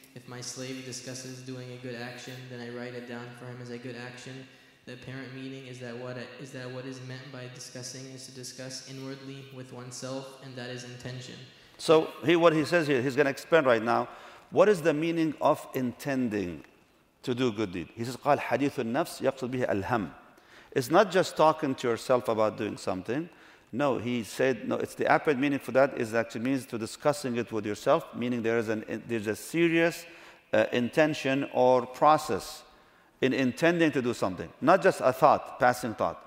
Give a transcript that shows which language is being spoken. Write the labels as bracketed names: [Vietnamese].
[English] If my slave discusses doing a good action, then I write it down for him as a good action. The apparent meaning is that what is meant by discussing is to discuss inwardly with oneself, and that is intention. So what he says here, he's going to explain right now, what is the meaning of intending to do good deed? He says, [Arabic] قَالْ حَدِيثُ النَّفْسِ يَقْصُدْ بِهِ الْهَمْ. [English] It's not just talking to yourself about doing something. No, he said, no, it's the apparent meaning for that is actually means to discussing it with yourself, meaning there's a serious intention or process in intending to do something, not just a thought, passing thought.